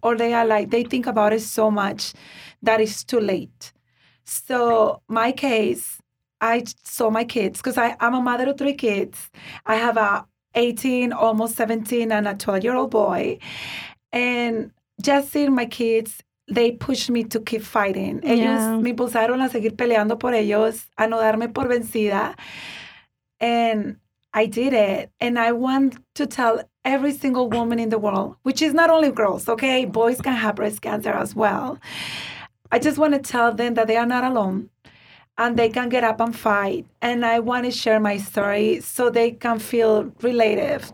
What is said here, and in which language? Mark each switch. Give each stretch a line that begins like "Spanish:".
English: Or they are like, they think about it so much that it's too late. So my case, I saw my kids because I'm a mother of three kids. I have a 18, almost 17, and a 12-year-old boy. And just seeing my kids, they pushed me to keep fighting.
Spanish: Ellos me impulsaron a seguir peleando por ellos, a no darme por vencida.
English: And I did it. And I want to tell every single woman in the world, which is not only girls, okay? Boys can have breast cancer as well. I just want to tell them that they are not alone. And they can get up and fight. And I want to share my story so they can feel relative.